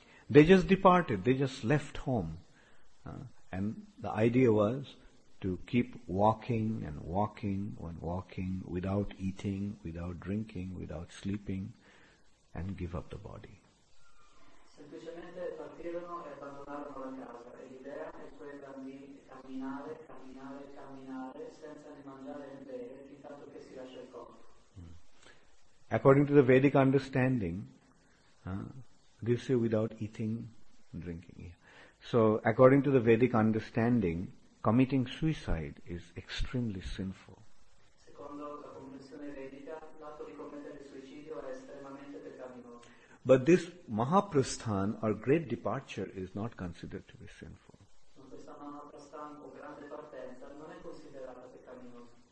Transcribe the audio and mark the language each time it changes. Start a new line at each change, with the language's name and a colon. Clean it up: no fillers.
English: They just departed, they just left home, And the idea was to keep walking and walking and walking without eating, without drinking, without sleeping, and give up the body.
Italian: Semplicemente partirono e abbandonarono la casa. E l'idea è quella di camminare, camminare, camminare senza ne mangiare né bere, fin tanto che si lascia il corpo.
English: According to the Vedic understanding, this is without eating and drinking. So, according to the Vedic understanding, committing suicide is extremely sinful.
Italian: Secondo la comprensione vedica, l'atto di commettere suicidio è estremamente peccaminoso.
English: But this Mahaprasthan, or great departure, is not considered to be sinful.
Italian: Questa Mahaprasthan, o grande partenza, non è considerata peccaminosa.